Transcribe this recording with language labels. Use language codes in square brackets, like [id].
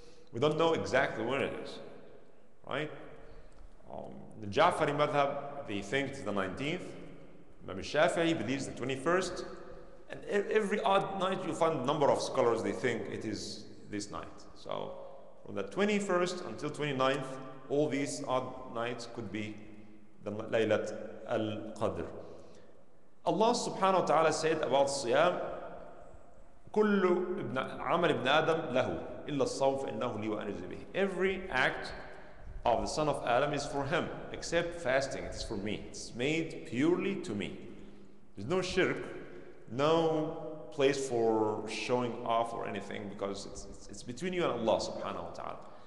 [en] We don't know exactly when it is, right? The Ja'fari Madhab, they think it's the 19th. Imam Shafi'i believes the 21st. And every odd night you find number of scholars, they think it is this night. So from the 21st until 29th, all these odd nights could be the Laylat al-Qadr. Allah subhanahu wa ta'ala said about Siyam, [ar] كُلُّ عَمَلِ ابْنَ آدَمْ لَهُ إِلَّا الصَّوْفْ إِنَّهُ لِي وَأَنِجْزِ بِهِ. [en] Every act of the son of Adam is for him, except fasting, it's for me. It's made purely to me. There's no shirk, no place for showing off or anything, because it's between you and Allah subhanahu wa ta'ala.